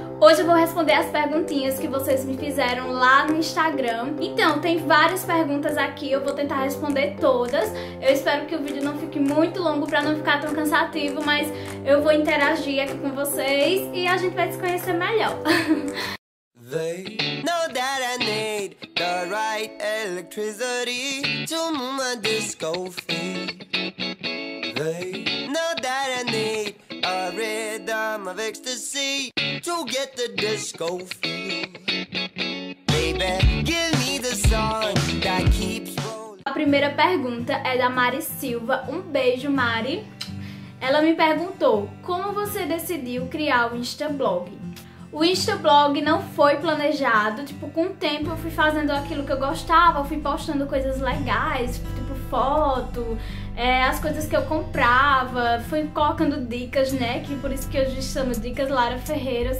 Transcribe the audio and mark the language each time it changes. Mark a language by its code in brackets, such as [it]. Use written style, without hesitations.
[pt] Hoje eu vou responder as perguntinhas que vocês me fizeram lá no Instagram. Então, tem várias perguntas aqui, eu vou tentar responder todas. Eu espero que o vídeo não fique muito longo pra não ficar tão cansativo, mas eu vou interagir aqui com vocês e a gente vai se conhecer melhor. [en] They know that I need the right electricity to move my disco feet. They know that I need a rhythm of ecstasy to get the disco feel. Baby, give me the song that keeps rolling. [pt] A primeira pergunta é da Mari Silva. Um beijo, Mari. Ela me perguntou: como você decidiu criar o Instablog? O Instablog não foi planejado, tipo, com o tempo eu fui fazendo aquilo que eu gostava, fui postando coisas legais, tipo, foto, as coisas que eu comprava, fui colocando dicas, né, que por isso que hoje chamo Dicas Lara Ferreira.